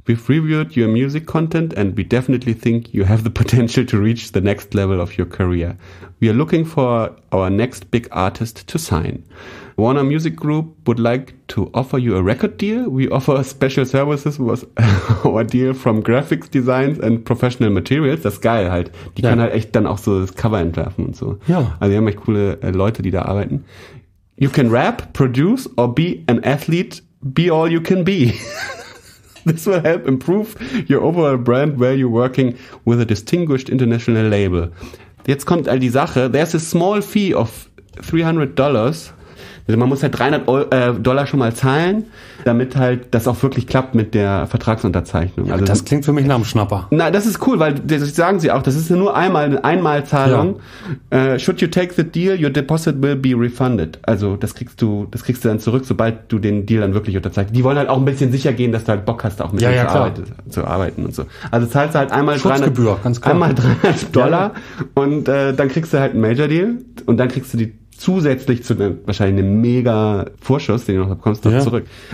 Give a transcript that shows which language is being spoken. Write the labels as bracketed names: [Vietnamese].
[English] We've reviewed your music content and we definitely think you have the potential to reach the next level of your career. We are looking for our next big artist to sign. Warner Music Group would like to offer you a record deal. We offer special services with our deal from graphics designs and professional materials. [German] Das ist geil halt. Die können halt echt dann auch so das Cover entwerfen und so. Ja. Also die haben echt coole Leute, die da arbeiten. [English] You can rap, produce or be an athlete. Be all you can be. This will help improve your overall brand while you're working with a distinguished international label. [German] Jetzt kommt all die Sache. [English] There's a small fee of $300. [German] Also man muss halt $300 schon mal zahlen, damit halt das auch wirklich klappt mit der Vertragsunterzeichnung. Ja, also das klingt für mich nach einem Schnapper. Na, das ist cool, weil das sagen sie auch, das ist nur einmal eine Einmalzahlung. Ja. [English] Should you take the deal, your deposit will be refunded. [German] Also das kriegst du dann zurück, sobald du den Deal dann wirklich unterzeichnest. Die wollen halt auch ein bisschen sicher gehen, dass du halt Bock hast, auch mit dem zu arbeiten und so. Also zahlst du halt einmal Schutzgebühr, ganz klar. Einmal $300 und dann kriegst du halt einen Major Deal und dann kriegst du die zusätzlich zu wahrscheinlich einem mega Vorschuss, den du noch bekommst, noch zurück.